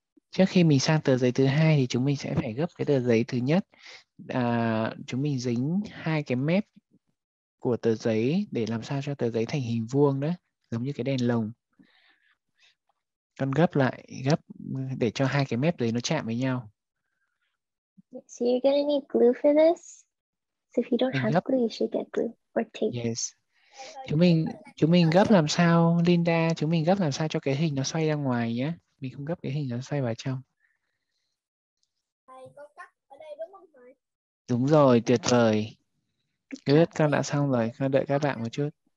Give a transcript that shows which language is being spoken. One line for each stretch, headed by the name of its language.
Vietnamese: Trước khi mình sang tờ giấy thứ hai thì chúng mình sẽ phải gấp cái tờ giấy thứ nhất. À, chúng mình dính hai cái mép của tờ giấy để làm sao cho tờ giấy thành hình vuông đó, giống như cái đèn lồng. Con gấp lại, gấp để cho hai cái mép đấy nó chạm với nhau.
English: So you're gonna need glue for this. So if you don't have glue, you should get glue or tape. Yes.
Vietnamese: Chúng mình gấp làm sao Linda, chúng mình gấp làm sao cho cái hình nó xoay ra ngoài nhé. Mình không gấp cái hình nó xoay vào trong. Thầy có cắt ở đây đúng không thầy? Đúng rồi, tuyệt vời.
English: Good,
Vietnamese: con đã xong rồi, con đợi các bạn một chút.